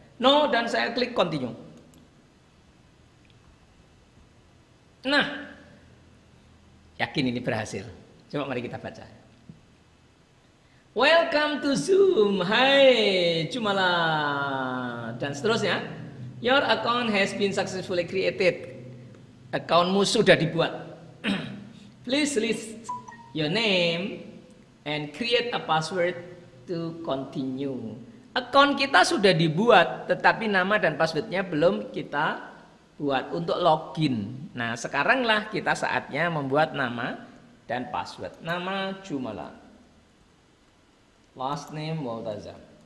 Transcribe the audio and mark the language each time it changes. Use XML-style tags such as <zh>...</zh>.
<id>No, dan saya klik continue. Nah, yakin ini berhasil. Coba mari kita baca.</id> <en>Welcome to Zoom.</en> <id>Hai, Jumala. Dan seterusnya.</id> <en>Your account has been successfully created.</en> <id>Accountmu sudah dibuat.</id> <en>Please list your name and create a password to continue.</en> <id>Account kita sudah dibuat, tetapi nama dan passwordnya belum kita buat untuk login. Nah, sekaranglah kita saatnya membuat nama dan password. Nama Jumala. Last name Waltazam.</id>